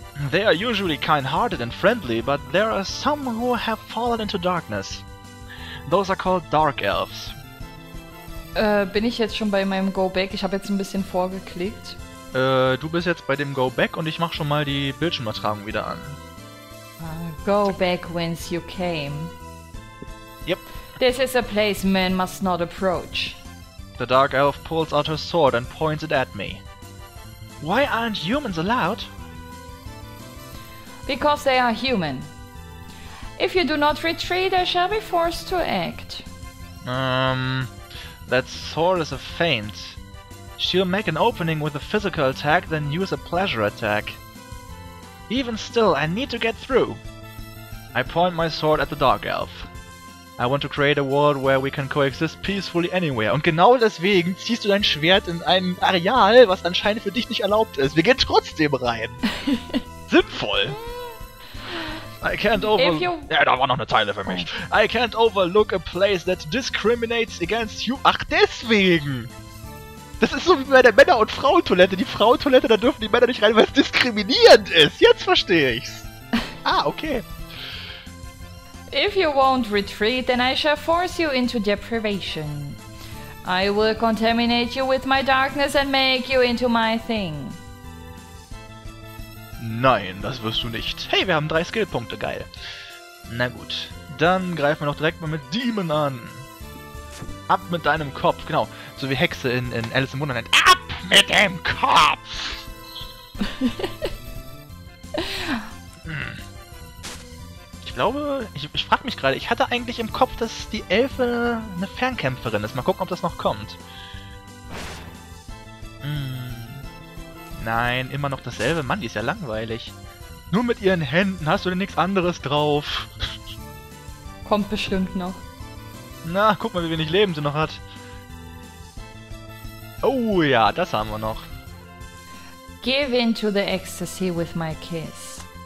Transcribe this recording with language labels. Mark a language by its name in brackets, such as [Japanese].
[English] They are usually kind-hearted and friendly, but there are some who have fallen into darkness. Those are called Dark Elves. [German] Bin ich jetzt schon bei meinem Go-Back? Ich habe jetzt ein bisschen vorgeklickt. Du bist jetzt bei dem Go-Back und ich mache schon mal die Bildschirmübertragung wieder an. [English] Go back whence you came. Yep. This is a place man must not approach. The Dark Elf pulls out her sword and points it at me. Why aren't humans allowed? Because they are human. If you do not retreat, I shall be forced to act. That sword is a feint. She'll make an opening with a physical attack, then use a pleasure attack. Even still, I need to get through. I point my sword at the Dark Elf. I want to create a world where we can coexist peacefully anywhere. [German] Und genau deswegen ziehst du dein Schwert in ein Areal, was anscheinend für dich nicht erlaubt ist. Wir gehen trotzdem rein. Sinnvoll. Da war noch eine Teile für mich. [English] I can't overlook a place that discriminates against you. [German] Ach, deswegen! Das ist so wie bei der Männer- und Frauentoilette. Die Frauentoilette, da dürfen die Männer nicht rein, weil es diskriminierend ist. Jetzt verstehe ich's. Ah, okay. [English] If you won't retreat, then I shall force you into deprivation. I will contaminate you with my darkness and make you into my thing. [German] Nein, das wirst du nicht. Hey, wir haben 3 Skillpunkte, geil. Na gut, dann greifen wir doch direkt mal mit Demon an. Ab mit deinem Kopf, genau. So wie Hexe in Alice im Wunderland. Ab mit dem Kopf! Ich frag mich gerade, ich hatte eigentlich im Kopf, dass die Elfe eine Fernkämpferin ist. Mal gucken, ob das noch kommt. Nein, immer noch dasselbe. Mann, die ist ja langweilig. Nur mit ihren Händen hast du denn nichts anderes drauf. Kommt bestimmt noch. Na, guck mal, wie wenig Leben sie noch hat. Oh ja, das haben wir noch. [English] Give in to the ecstasy with my kiss.